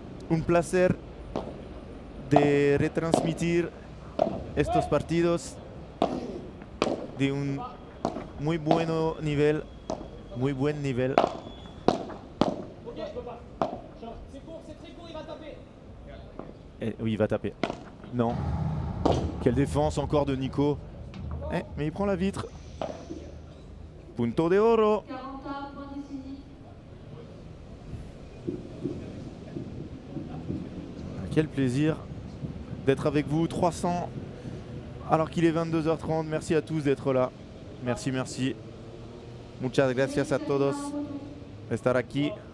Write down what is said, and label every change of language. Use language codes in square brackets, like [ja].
[es] Un placer de retransmitir estos partidos de un muy bueno nivel. Muy buen nivel. [fr] Ok, je peux pas. C'est court, c'est très court, il va taper. Eh, oui, il va taper. Non. Quelle défense encore de Nico. Oh. Eh, mais il prend la vitre. [es] Punto de oro. [fr] 40 points décisifs. Quel plaisir d'être avec vous. 300. Alors qu'il est 22h30, merci à tous d'être là. Merci, merci. [es] Muchas gracias a todos por estar aquí.